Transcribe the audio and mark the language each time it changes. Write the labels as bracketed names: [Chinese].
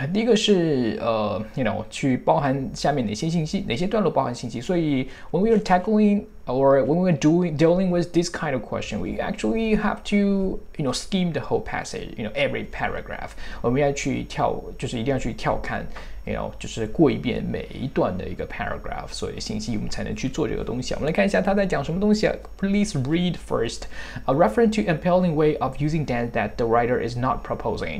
[Chinese] 第一个是去包含下面哪些信息，哪些段落包含信息。 [English] 所以 when we are tackling or when we are dealing with this kind of question, we actually have to skim the whole passage, every paragraph。 [Chinese] 我们要去跳，就是一定要去跳看就是过一遍每一段的一个 paragraph， 所以信息我们才能去做这个东西。我们来看一下他在讲什么东西啊。 [English] Please read first. A reference to appealing way of using dance that the writer is not proposing.